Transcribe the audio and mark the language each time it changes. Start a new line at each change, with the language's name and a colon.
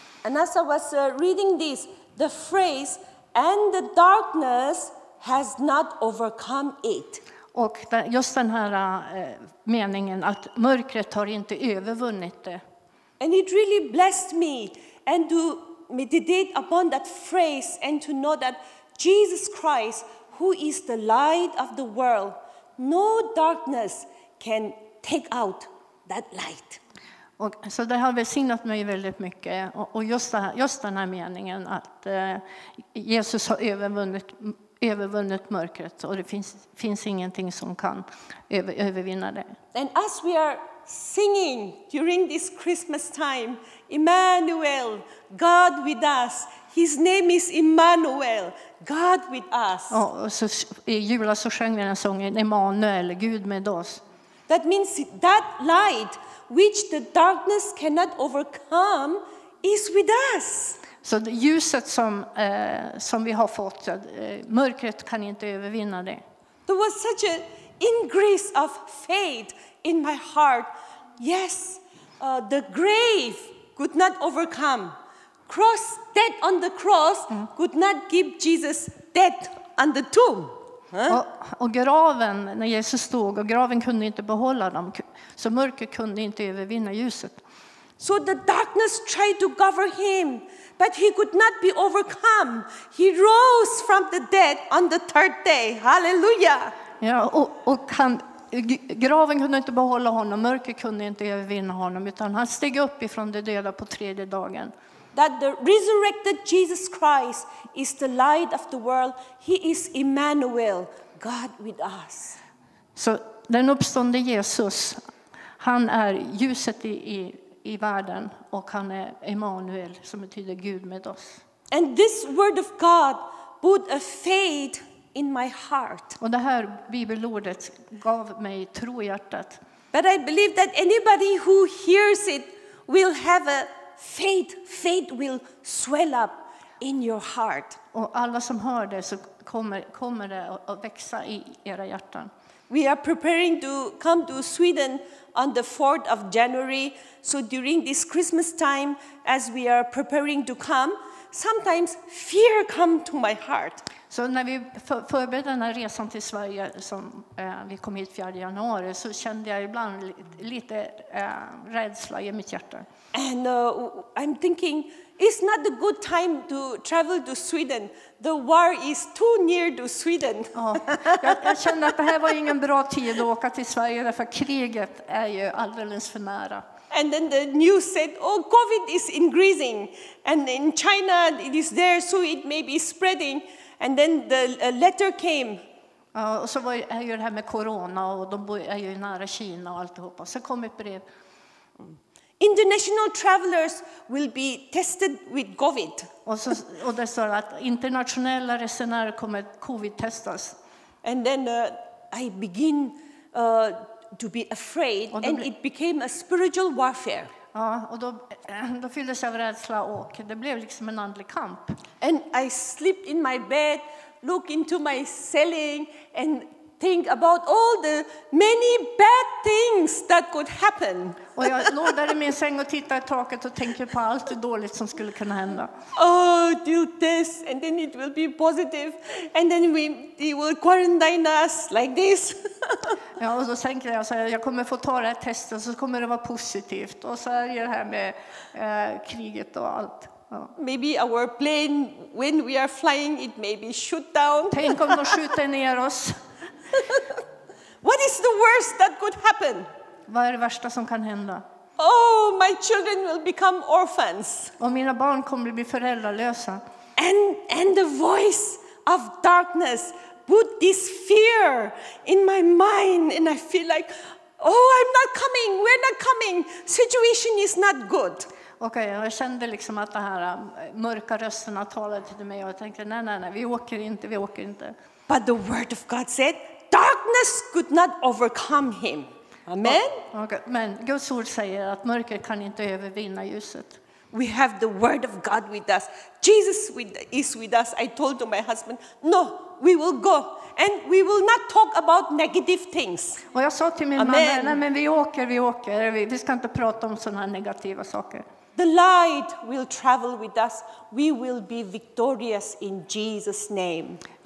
English: And as I was reading this, the phrase "and the darkness has not overcome it."
Swedish: Och just den här meningen att mörkret har inte övervunnit det.
English: And it really blessed me and to meditate upon that phrase and to know that Jesus Christ, who is the light of the world, no darkness can take out that light.
Swedish: Och så det har välsignat mig väldigt mycket. Och just den här meningen att Jesus har övervunnit mörkret, och det finns ingenting som kan övervinna det.
English: And as we are singing during this Christmas time, Emmanuel, God with us. His name is Emmanuel, God with us.
Swedish: Och så i jula så sjöng vi den sången, Emmanuel, Gud med oss.
English: That means that light which the darkness cannot overcome is with us.
Swedish: Så det ljuset som vi har fått, mörkret kan inte övervinna det.
English: There was such an increase of faith in my heart. Yes, the grave could not overcome. Cross, death on the cross could not give Jesus death on the tomb.
Swedish: Och graven, när Jesus stod, och graven kunde inte behålla dem, så mörker kunde inte övervinna ljuset.
English: So the darkness tried to cover him, but he could not be overcome. He rose from the dead on the third day. Hallelujah.
Swedish: Ja, och graven kunde inte behålla honom, mörker kunde inte övervinna honom, utan han steg upp ifrån de döda på tredje dagen.
English: That the resurrected Jesus Christ is the light of the world. He is Emmanuel, God with us.
Swedish: Så den uppståndne Jesus, han är ljuset i världen, och han är Emmanuel, som betyder Gud med oss.
English: And this word of God put a faith in my heart.
Swedish: Och det här bibelordet gav mig tro i hjärtat.
English: But I believe that anybody who hears it will have a faith will swell up in your heart.
Swedish: Och alla som hör det, så kommer det att växa i era hjärtan.
English: We are preparing to come to Sweden on the 4th of January. So during this Christmas time, as we are preparing to come, sometimes fear come to my heart.
Swedish: Så när vi förberedde den här resan till Sverige, som vi kom hit 4 januari, så kände jag ibland lite rädsla i mitt hjärta.
English: And I'm thinking, it's not a good time to travel to Sweden. The war is too near to Sweden.
Swedish: Jag kände att det här var ingen bra tid att åka till Sverige, därför kriget är ju alldeles för nära.
English: And then the news said, oh, COVID is increasing. And in China, it is there, so it may be spreading. And then the letter came.
Swedish: Och så var det ju det här med corona, och de är ju nära Kina och alltihopa. Så kom ett brev.
English: International travelers will be tested with COVID.
Swedish: Och det står att internationella resenärer kommer covid-testas.
English: And then I begin to be afraid, and it became a spiritual warfare.
Swedish: Ja, och då fylldes jag av rädsla, och det blev liksom en andlig kamp.
English: And I slept in my bed, look into my ceiling and think about all the many bad things that could happen.
Swedish: Och jag låg där i min säng och tittade i taket och tänkte på allt det dåligt som skulle kunna hända.
English: Oh, do this and then it will be positive and then we will quarantine us like this.
Swedish: Ja, och så tänker jag, så jag kommer få ta det här testet, så kommer det vara positivt, och så är det här med kriget och allt.
English: Maybe our plane, when we are flying, it may be shoot down.
Swedish: Tänk om de skjuter ner oss.
English: What is the worst that could happen?
Swedish: Vad är det värsta som kan hända?
English: Oh, my children will become orphans.
Swedish: Och mina barn kommer bli föräldralösa.
English: And the voice of darkness put this fear in my mind, and I feel like, oh, I'm not coming. We're not coming. Situation is not good.
Swedish: Okej, jag kände liksom att det här mörka rösterna talade till mig, och jag tänkte, nej, vi åker inte.
English: But the word of God said, darkness could not overcome him. Amen. Okay.
Swedish: Men Guds ord säger att mörker kan inte övervinna ljuset.
English: We have the word of God with us. Jesus is with us. I told to my husband, no, we will go. And we will not talk about negative things.
Swedish: Och jag sa till min man, nej, men vi åker. Vi ska inte prata om sådana här negativa saker.
English: The light will travel with us. We will be victorious in Jesus' name.